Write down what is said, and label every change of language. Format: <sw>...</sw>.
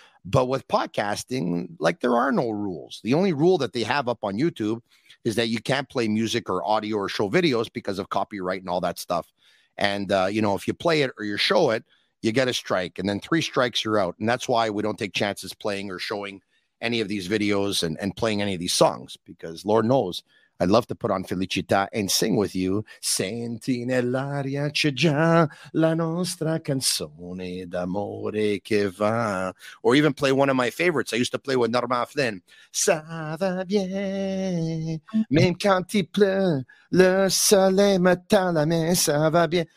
<en>But with podcasting, like, there are no rules. The only rule that they have up on YouTube is that you can't play music or audio or show videos because of copyright and all that stuff. And, you know, if you play it or you show it, you get a strike, and then three strikes, you're out. And that's why we don't take chances playing or showing any of these videos and playing any of these songs, because Lord knows, I'd love to put on Felicita and sing with you.</en> <it>Senti nell'aria c'è già la nostra canzone d'amore che va.</it> <en>Or even play one of my favorites. I used to play with Norma Flynn.</en> <fr>Ça va bien, même quand il pleut, le soleil me tend la main, ça va bien.</fr>